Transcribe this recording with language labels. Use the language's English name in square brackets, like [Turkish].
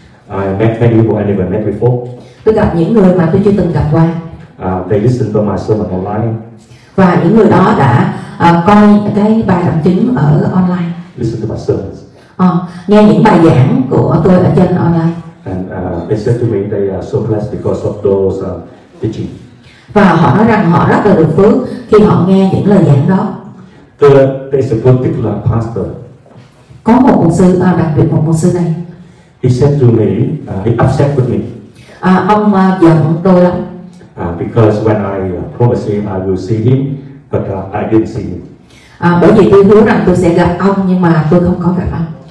[English] I met many people I never met before. [Vietnamese] Tôi gặp những người mà tôi chưa từng gặp qua. [English] They listen to my sermon online. [Vietnamese] Và những người đó đã coi cái bài giảng chính ở online. [English] Listen to my sermons. [Vietnamese] Nghe những bài giảng của tôi ở trên online. [English] And they said to me they are so blessed because of those teaching. [Vietnamese] Và họ nói rằng họ rất là được phước khi họ nghe những lời giảng đó. [English] There is a particular pastor. [Vietnamese] Có một mục sư đặc biệt một mục sư này. [English] He said to me, he upset with me. [Vietnamese] Ông giận tôi lắm. [English] Because when I promised him I will see him, but I didn't see him. [Vietnamese] Bởi vì tôi hứa rằng tôi sẽ gặp ông nhưng mà tôi không có gặp ông.